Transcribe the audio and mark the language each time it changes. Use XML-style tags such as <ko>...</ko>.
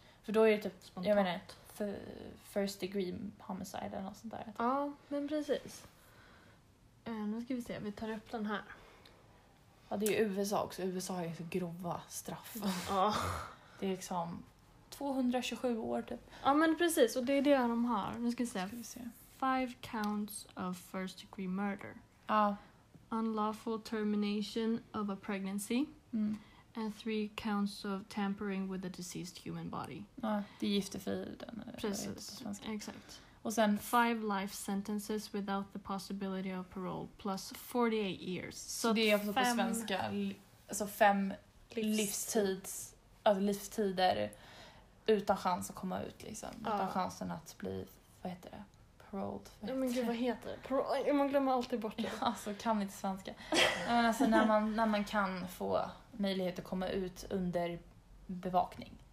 <sv>För då är det typ spontant. Jag menar,</sv> <en>first degree homicide</en> <sv>eller något sånt där. Ja, men precis. Nu ska vi se, vi tar upp den här. Ja, det är USA också. USA har ju så grova straff. Ja. Det är liksom 227 år typ. Ja, men precis. Och det är det de har. Nu ska vi se. Ska vi se.</sv> <en>5 counts of first degree murder.</en> <sv>Ja.</sv> <en>unlawful termination of a pregnancy. Mm. And 3 counts of tampering with a deceased human body.</en> <sv>Ja, det är giftefriden. Precis, exakt. Och sen</sv> <en>5 life sentences without the possibility of parole plus 48 years.</en> <sv>Så det är alltså på svenska alltså 5 livstids alltså livstider utan chans att komma ut liksom, utan chansen att bli, vad heter det?</sv> <en>Paroled.</en> <sv>Ja, men gud, vad heter det? Paroled, man glömmer alltid bort det. Ja, alltså kan inte svenska. Men alltså när man kan få möjlighet att komma ut under bevakning.</sv>